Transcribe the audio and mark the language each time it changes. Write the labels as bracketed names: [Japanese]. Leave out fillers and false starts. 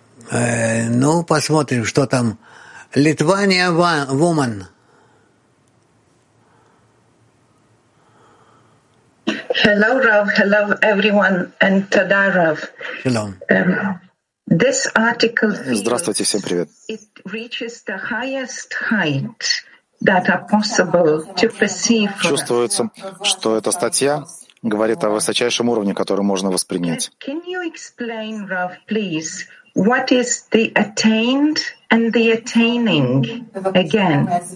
[Russian] Ну, посмотрим, что там. [English] Lithuania woman. Hello, Rav. Hello, everyone. And tada, Rav. Hello. This article... [Russian] Здравствуйте, всем привет. [English] It reaches the highest height that are possible to perceive. [Russian] Чувствуется, что эта статья говорит о высочайшем уровне, который можно воспринять. [English] Can you explain, Rav, please, what is the attained and the attaining again?